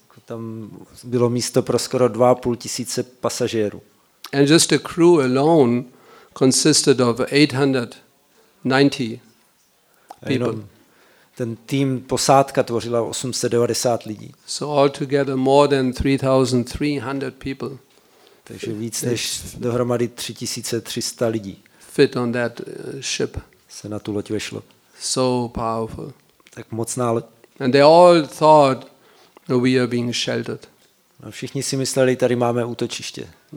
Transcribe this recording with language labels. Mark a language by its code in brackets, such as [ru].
[cs] Tam bylo místo pro skoro 2,500 pasažérů. [en] And just the crew alone consisted of 890 people. [cs] Ten tým posádka tvořila 890 lidí. [en] So altogether more than 3,300 people. [cs] Takže víc než dohromady 3,300 lidí. [en] Fit on that ship. [cs] Se na tu loď vešlo. [en] So powerful. [cs] Tak mocná loď. [en] And they all thought we are being sheltered. [cs] No, všichni si mysleli, tady máme útočiště.